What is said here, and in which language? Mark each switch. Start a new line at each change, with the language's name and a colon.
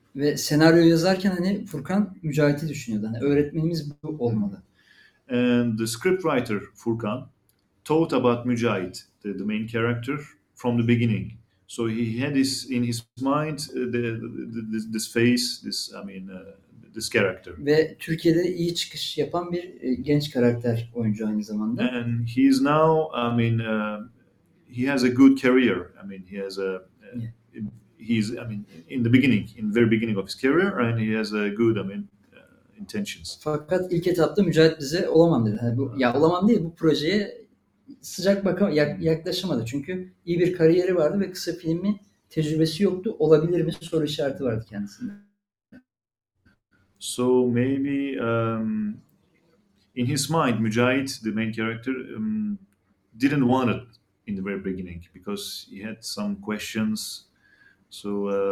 Turkish: Ve senaryoyu yazarken hani Furkan Mücahit'i düşünüyordu. Hani öğretmenimiz bu olmalı.
English: And the script writer Furkan thought about Mücahit, the main character, from the beginning. So he had this in his mind, this face, this, I mean, this character.
Turkish: Ve Türkiye'de iyi çıkış yapan bir genç karakter oyuncu aynı zamanda.
English: And he is now, I mean, he has a good career. I mean, he has a, he's, I mean, in the beginning, in the very beginning of his career, and he has a good, I mean, intentions.
Turkish: Fakat ilk etapta Mücahit bize olamam dedi. Yani bu, ya olamam değil, bu projeye sıcak yaklaşamadı çünkü iyi bir kariyeri vardı ve kısa filmi tecrübesi yoktu. Olabilir mi soru işareti vardı kendisinde.
English: So maybe in his mind Mücahit, the main character, didn't want it in the very beginning because he had some questions. So